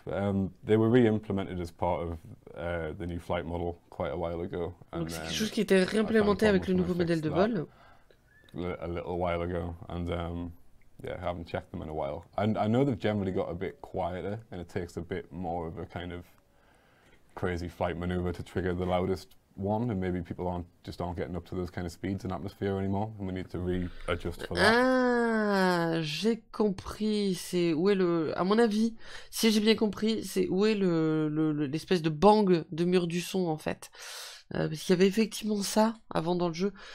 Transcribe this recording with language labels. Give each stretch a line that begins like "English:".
English: They were re-implemented as part of the new flight model quite a while ago.
French: Donc c'est quelque chose qui était réimplémenté avec le nouveau modèle de vol.
English: A little while ago, and yeah, I haven't checked them in a while. And I know they've generally got a bit quieter, and it takes a bit more of a kind of crazy flight maneuver to trigger the loudest one, and maybe people aren't getting up to those kind of speeds in atmosphere anymore, and we need to readjust for that.
French: Ah, j'ai compris. C'est où est le, à mon avis, si j'ai bien compris, c'est où est l'espèce de bang de mur du son en fait, parce qu'il y avait effectivement ça avant dans le jeu.